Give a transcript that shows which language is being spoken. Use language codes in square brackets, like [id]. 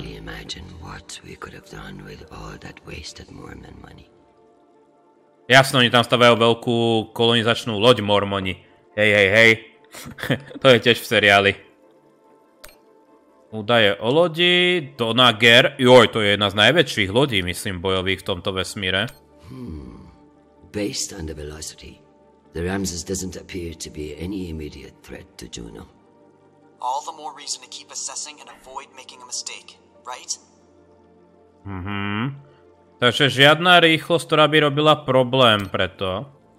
[en] One can only imagine what we could have done with all that wasted Mormon money. [sk] Jasno, oni tam stavajú veľkú kolonizačnú loď Mormoni. Hej. To je tiež v seriáli. Údaje o lodi, Donna Ger. Joj, to je jedna z najväčších lodí, myslím, bojových v tomto vesmíre. [en] Based on the velocity, the Ramses doesn't appear to be any immediate threat to Juno. All the more reason to keep assessing and avoid making a mistake, right? [sk] Takže žiadna rýchlosť, ktorá by robila problém preto.